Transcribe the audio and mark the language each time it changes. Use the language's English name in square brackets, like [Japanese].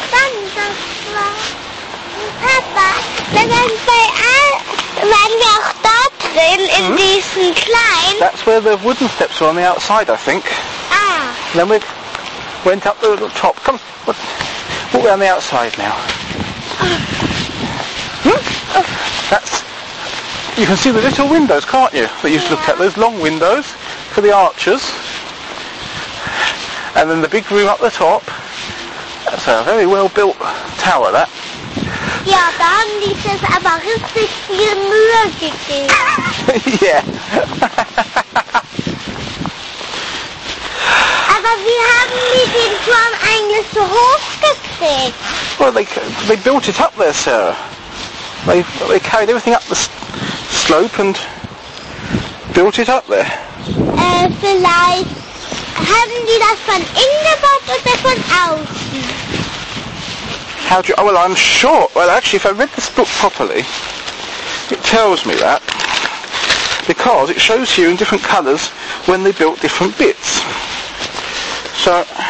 [German] Papa, wenn wir auch da drin in diesen kleinen... [English] That's where the wooden steps are on the outside, I think. Ah. Then we went up the little top. Come, walk around the outside now. That's... You can see the little windows, can't you? That used to look at. Those long windows for the archers. And then the big room up the top. That's a very well-built tower, that. [German] Ja, da haben die sich aber richtig viel Mühe gegeben. [English] Yeah. [German] Aber wie haben die den Turm eigentlich so hoch gekriegt? [English] Well, they built it up there, Sarah. They carried everything up the slope and built it up there. [German] Vielleicht haben die das von innen gebaut oder von außen? [English] How do you, well, I'm sure, well, actually, if I read this book properly, it tells me that, because it shows you in different colours when they built different bits. So...